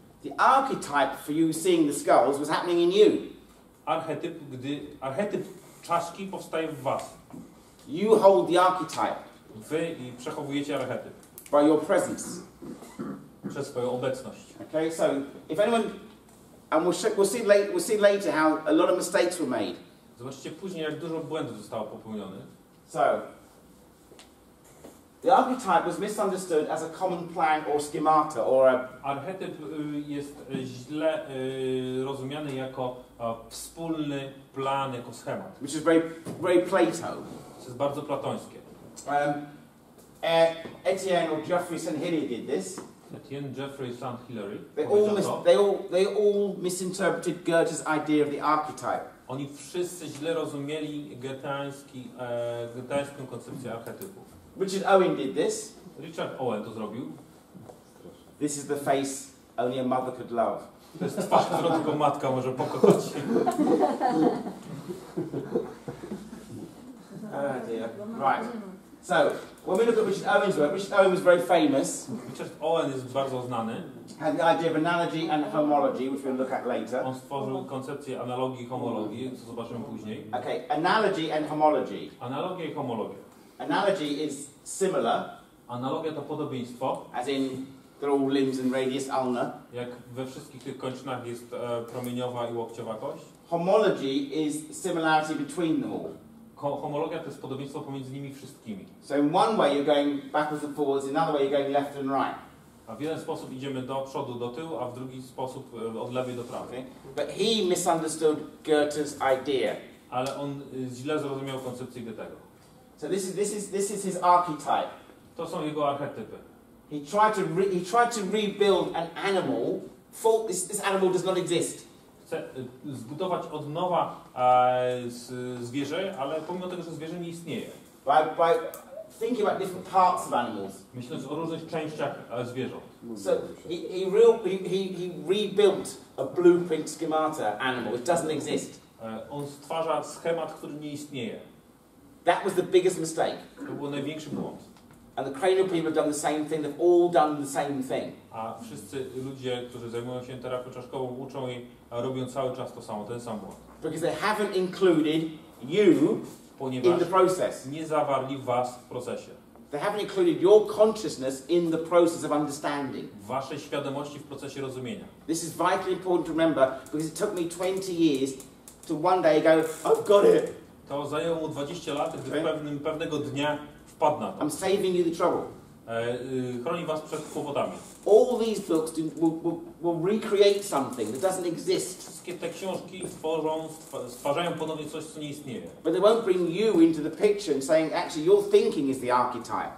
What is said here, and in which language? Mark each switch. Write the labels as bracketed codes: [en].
[en] the archetype for you seeing the skulls was happening in you. [pl] Archetyp, gdy archetyp czaszki powstaje w was. [en] You hold the archetype. [pl] Wy przechowujecie archetyp. [en] By your presence. [pl] Przez swoją obecność. [en] Okay, so if anyone, and we'll see later how a lot of mistakes were made. [pl] Zobaczycie później, jak dużo błędów zostało popełnionych. [en] So, the archetype was misunderstood as a common plan or schemata or a. [pl] Archetyp jest źle rozumiany jako wspólny plan, jako schemat. [en] Which is very Plato. [pl] To jest bardzo platońskie. [en] Etienne or Geoffrey St. Hilaire did this. [pl] Etienne, Geoffrey, St. Hilaire. [en] They all misinterpreted Goethe's idea of the archetype. [pl] Oni wszyscy źle rozumieli goetańską koncepcję archetypu. [en] Richard Owen did this. [pl] Richard Owen to zrobił. [en] This is the face only a mother could love. [pl] To jest twarz, którą tylko matka może pokochać. [en] Right. So, when we look at Richard Owen's work, Richard Owen was very famous. [pl] Richard Owen jest bardzo znany. [en] Had the idea of analogy and homology, which we'll look at later. [pl] On stworzył koncepcję analogii i homologii, co zobaczymy później. [en] Okay, analogy and homology. [pl] Analogia i homologia. [en] Analogy is similar. [pl] Analogia to podobieństwo. [en] As in, they're all limbs and radius ulna. [pl] Jak we wszystkich tych kończynach jest promieniowa i łokciowa kość. [en] Homology is similarity between them all. [pl] Homologia to jest podobieństwo pomiędzy nimi wszystkimi. [en] So in one way you're going backwards and forwards, in another way you're going left and right. [pl] A w jeden sposób idziemy do przodu, do tyłu, a w drugi sposób od lewej do prawej. [en] Okay. But he misunderstood Goethe's idea. [pl] Ale on źle zrozumiał koncepcję Goethego. [en] So this is his archetype. [pl] To są jego archetypy. [en] He tried to rebuild an animal. This animal does not exist. [pl] Zbudować od nowa zwierzę, ale pomimo tego, że zwierzę nie istnieje. [en] By thinking about different parts of animals. [pl] Myśląc o różnych częściach zwierząt. [en] So he rebuilt a blueprint schemata animal. It doesn't exist. [pl] On stwarza schemat, który nie istnieje. [en] That was the biggest mistake. [pl] To był największy błąd. [en] And the cranial people have done the same thing. They've all done the same thing. [pl] A wszyscy ludzie, którzy zajmują się terapią czaszkową, uczą i robią cały czas to samo, ten sam błąd. [en] Because they haven't included you in the process. [pl] Nie zawarli was w procesie. [en] They haven't included your consciousness in the process of understanding. [pl] Waszej świadomości w procesie rozumienia. [en] This is vitally important to remember because it took me 20 years to one day go, I've got it. [pl] To zajęło mu 20 lat, gdy pewnego dnia wpadł na to. [en] I'm saving you the trouble. [pl] Chroni was przed kłopotami. [en] All these books will recreate something that doesn't exist. [pl] Wszystkie te książki stwarzają ponownie coś, co nie istnieje. [en] But they won't bring you into the picture and saying actually your thinking is the archetype.